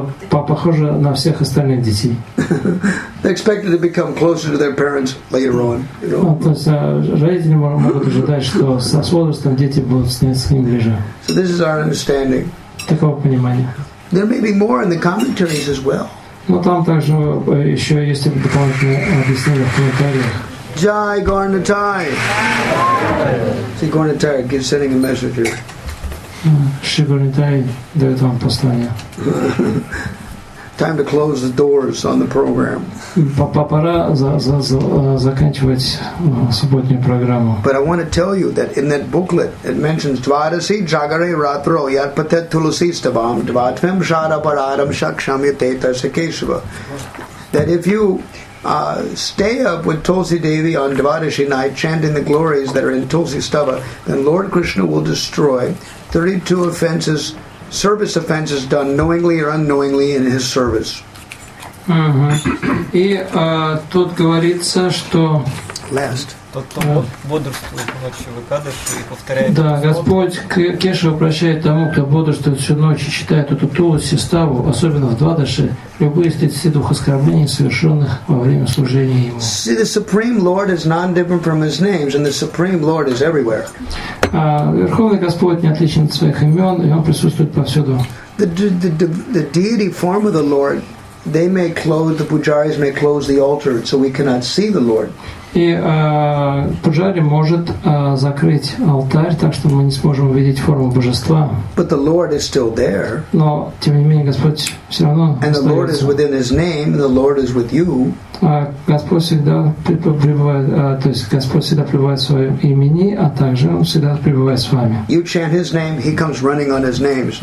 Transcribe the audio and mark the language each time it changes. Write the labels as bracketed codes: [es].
[ru] Похоже на всех остальных детей. [en] They expected to become closer to their parents later on. [ru] То есть родители могут ожидать, что со возрастом дети будут с ним ближе. [en] So this is our understanding. [ru] Такого понимания. [en] There may be more in the commentaries as well. [ru] Но там также еще есть дополнительные объяснения в комментариях. [en] Jai Gaurnatai. See, Gaurnatai is sending a messenger. [ru] Shri Gaurnatai дает вам послание. [en] Time to close the doors on the program. [ru] Пора заканчивать субботнюю программу. [en] But I want to tell you that in that booklet it mentions [sa] Dvadasi Jagare Ratro Yatpatet Tulasi Stavam Dvatvim Shara Pararam Shakshamyate Tasakeshava. [en] That if you stay up with Tulsi Devi on Dvadasi night chanting the glories that are in Tulsi Stava, then Lord Krishna will destroy 32 offenses. Service offenses done knowingly or unknowingly in his service. [ru] И тут говорится, что [en] last. [ru] Да, Господь Кешава прощает тому, кто бодрствует всю ночь и читает эту тулоси, ставу, особенно в двадаши, любые из 32 оскорблений, совершенных во время служения Ему. [en] See, the Supreme Lord is non-different from His names, and the Supreme Lord is everywhere. [ru] Верховный Господь не отличен от своих имен, и Он присутствует повсюду. [en] The deity form of the Lord, they may close, the pujaris may close the altar, so we cannot see the Lord. [ru] И пуджари может закрыть алтарь, так что мы не сможем увидеть форму Божества. [en] But the Lord is still there. [ru] Но, тем не менее, Господь все равно остается. [en] And the Lord is within His name, and the Lord is with you. [ru] Господь всегда пребывает, то есть Господь всегда пребывает в своем имени, а также Он всегда пребывает с вами. [en] You chant His name, He comes running on His names.